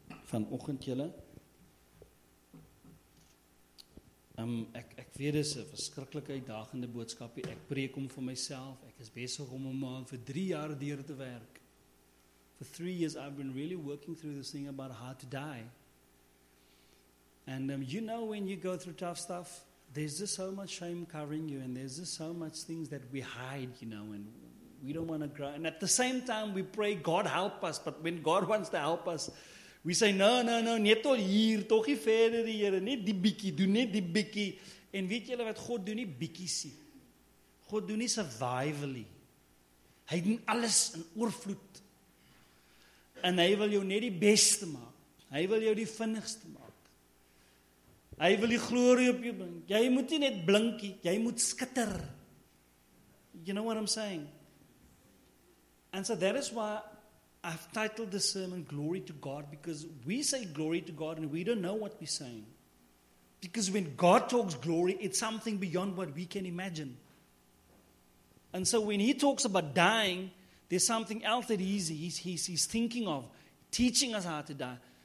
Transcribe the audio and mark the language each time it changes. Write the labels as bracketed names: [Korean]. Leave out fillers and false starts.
[Afrikaans] Vanoggend julle. Ek weet dis 'n verskriklike uitdagende boodskapie. Ek preek hom vir myself. Ek is besig om hom vir 3 jaar deur te werk. [English] For 3 years I've been really working through this thing about how to die. And you know when you go through tough stuff, there's just so much shame covering you and there's just so much things that we hide, you know, and we don't want to grow. And at the same time, we pray, God help us. But when God wants to help us, we say, no, [Afrikaans] net al hier, toch nie verder die Here, net die bietjie, doen net die bietjie. En weet julle wat, God doen nie bietjies nie. God doen nie survivally. Hy doen alles in oorvloed. En hy wil jou net die beste maak. Hy wil jou die vinnigste maak. Hy wil die glorie op jou bring. Jy moet nie net blinkie, jy moet skitter. [English] You know what I'm saying? And so that is why I've titled the sermon Glory to God, because we say glory to God and we don't know what we're saying. Because when God talks glory, it's something beyond what we can imagine. And so when he talks about dying, there's something else that he's thinking of, teaching us how to die.